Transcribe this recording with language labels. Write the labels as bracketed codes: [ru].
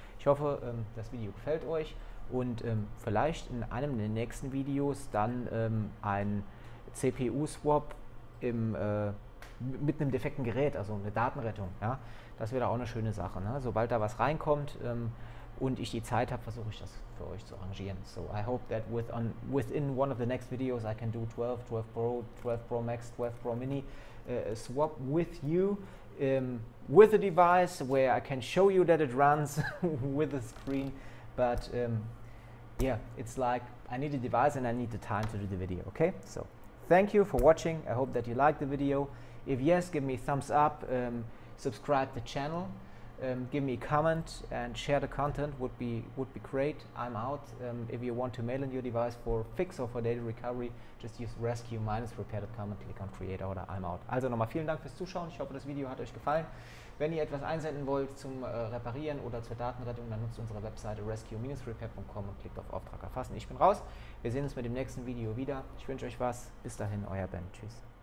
[de] Ich hoffe, das Video gefällt euch. Und vielleicht in einem der nächsten Videos dann ein CPU-Swap mit einem defekten Gerät, also eine Datenrettung. Ja? Das wäre auch eine schöne Sache. Ne? Sobald da was reinkommt und ich die Zeit habe, versuche ich das für euch zu arrangieren. [en] So I hope that within one of the next videos I can do 12, 12 Pro, 12 Pro Max, 12 Pro Mini swap with you. With a device where I can show you that it runs with a screen. But yeah, it's like I need a device and I need the time to do the video, okay? So thank you for watching. I hope that you liked the video. If yes, give me a thumbs up, subscribe the channel, give me a comment and share the content, would be great. I'm out. If you want to mail in your device for fix or for data recovery, just use rescue-repair.com and click on create order. I'm out. [de] Also nochmal vielen Dank fürs Zuschauen. Ich hoffe, das Video hat euch gefallen. Wenn ihr etwas einsenden wollt zum Reparieren oder zur Datenrettung, dann nutzt unsere Webseite rescue-repair.com und klickt auf Auftrag erfassen. Ich bin raus. Wir sehen uns mit dem nächsten Video wieder. Ich wünsche euch was. Bis dahin, euer Ben. Tschüss.